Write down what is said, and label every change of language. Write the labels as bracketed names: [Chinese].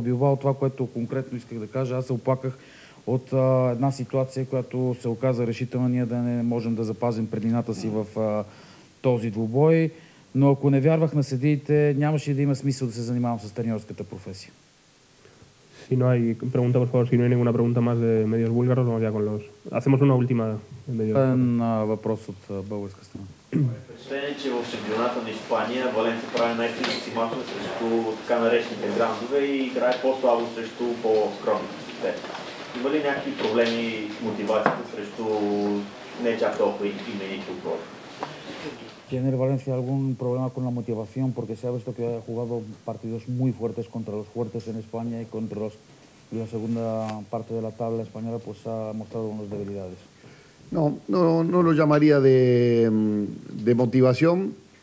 [Bulgarian] В Билбао, това, което конкретно исках да кажа, аз се оплаках от една ситуация, която се оказа решителна, ние да не можем да запазим предината си в този двубой. Но ако не вярвах на съдиите, нямаше да има смисъл да се занимавам с треньорската професия. [Spanish] Si no hay pregunta, por favor, si no hay ninguna pregunta más de medios búlgaros, vamos ya con los... Hacemos una última en medios búlgaros. [Bulgarian] Un вопрос от българска страна. Това е впечатление, че в шампионата на Испания Валенсия прави най-физици матове срещу така наречените грандове и играе по-слабо срещу по-скромните. Има ли някакви проблеми с мотивацията срещу не чак толкова именити отбори? [Spanish] Tiene el Valencia algún problema con la motivación porque se ha visto que ha jugado partidos muy fuertes contra los fuertes en España y contra los y la segunda parte de la tabla española pues ha mostrado unas debilidades. No lo llamaría de motivación.